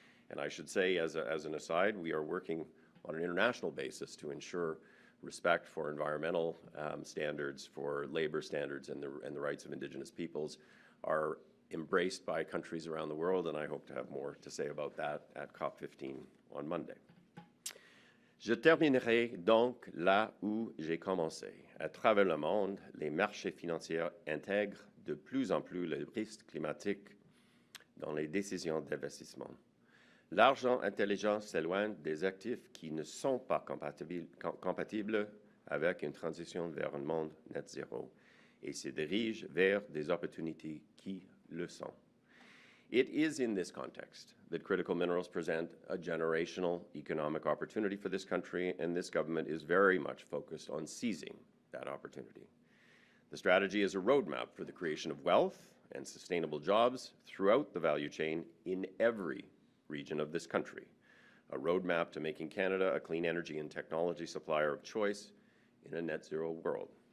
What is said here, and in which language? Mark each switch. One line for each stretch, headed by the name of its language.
English: And I should say, as an aside, we are working on an international basis to ensure respect for environmental standards, for labor standards, and the rights of Indigenous peoples are embraced by countries around the world, and I hope to have more to say about that at COP15 on Monday.
French: Je terminerai donc là où j'ai commencé. À travers le monde, les marchés financiers intègrent de plus en plus le risque climatique dans les décisions d'investissement. L'argent intelligent s'éloigne des actifs qui ne sont pas compatibles avec une transition vers un monde net zéro et se dirige vers des opportunités qui le sont.
English: It is in this context that critical minerals present a generational economic opportunity for this country, and this government is very much focused on seizing that opportunity. The strategy is a roadmap for the creation of wealth and sustainable jobs throughout the value chain in every region of this country, a roadmap to making Canada a clean energy and technology supplier of choice in a net zero world.